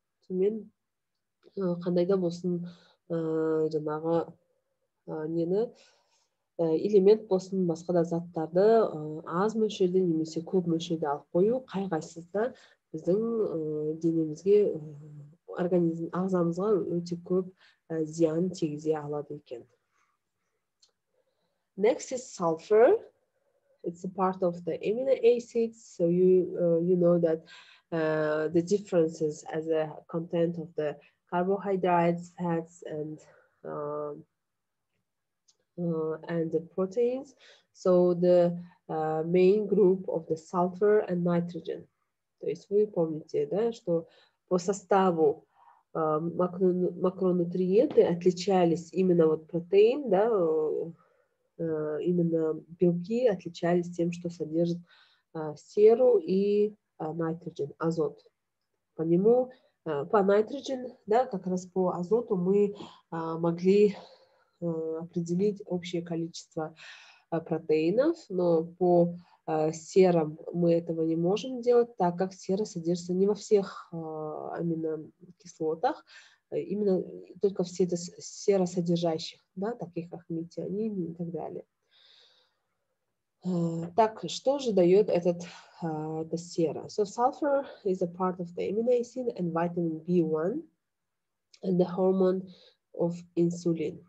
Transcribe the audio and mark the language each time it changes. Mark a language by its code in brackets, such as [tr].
[kk] Мен қандайда болсын жаңағы нені элемент болсын басқа да заттарды аз мөлшерде немесе көп мөлшерде алып қою қайғайсызда біздің денемізге организм ағзамызға өте көп зиян тигізе алады екен. [en] Next is sulfur. It's a part of the amino acids, so you know that the differences as a content of the carbohydrates, fats, and the proteins. So the main group of the sulfur and nitrogen. [ru] То есть вы помните, да, что по составу макронутриенты отличались именно вот протеин, да, именно белки отличались тем, что содержит серу и nitrogen, азот. По нему, по nitrogen, да, как раз по азоту мы могли определить общее количество протеинов, но по серам мы этого не можем делать, так как сера содержится не во всех аминокислотах, именно только в серосодержащих, да, таких как метионин и так далее. Так, что же дает этот эта сера? [en] So sulfur is a part of the amino acid and vitamin B1 and the hormone of insulin.